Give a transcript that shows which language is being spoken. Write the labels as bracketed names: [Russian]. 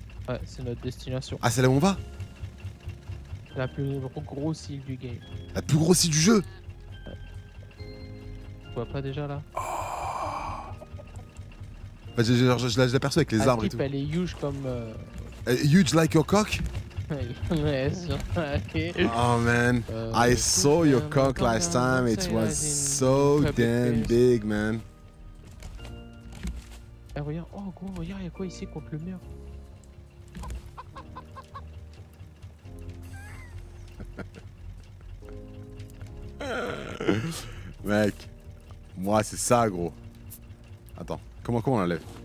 [French] Ouais, c'est notre destination. Ah, c'est là où on va ? La plus grosse île du game. La plus grosse île du jeu ? Tu vois pas déjà là ? Oh. Bah, je l'aperçois avec les arbres et tout. Elle est huge comme. [English] Huge like your cock ? Oh man, I saw your cock last time. It was so damn big, man. [French] Eh, regarde, oh gros, regarde, y'a quoi ici contre le mur? Mec, moi c'est ça, gros. Attends, comment on enlève?